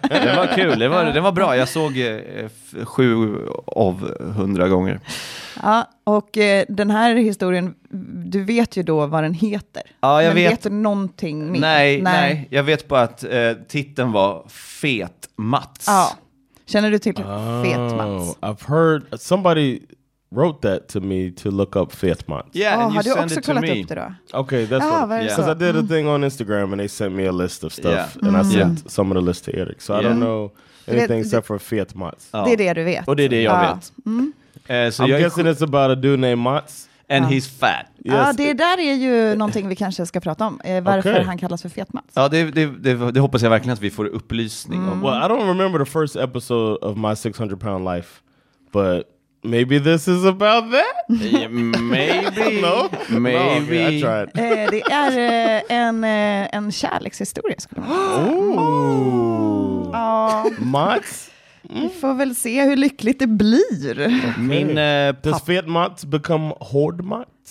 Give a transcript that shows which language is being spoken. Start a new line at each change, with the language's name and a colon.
Swedish: jag. Det var kul. Det var bra. Jag såg 7 av 100 gånger. Ja, och den här historien, du vet ju då vad den heter. Ja, jag vet. Men vet du någonting mer? Nej, jag vet bara att titeln var Fet-Mats. Ja, känner du till Fet-Mats?
English: I've heard somebody... wrote that to me to look up Fet-Mats. Yeah, and you sent it to me. Okay, that's what. Because I did a thing on Instagram and they sent me a list of stuff. Yeah. And I sent some of the list to Eric. So I don't know anything except for Fet-Mats.
Swedish: Det är det du vet. Och det är det jag vet.
English: So I'm guessing it's about a dude named Mats. And he's fat.
Swedish: Ja, yes. Det där är ju någonting vi kanske ska prata om. Varför han kallas för Fet-Mats. Ja, det hoppas jag verkligen att vi får upplysning om.
English: Well, I don't remember the first episode of My 600-pound life, but... Maybe this is about that? Maybe. No. Maybe. No, okay, I tried.
Swedish: Det är en kärlekshistoria, skulle man säga. Ooh. Ja. Mats? Mm. Vi får väl se hur lyckligt det blir.
English: Okay. Min Does Fet-Mats become hard Mats?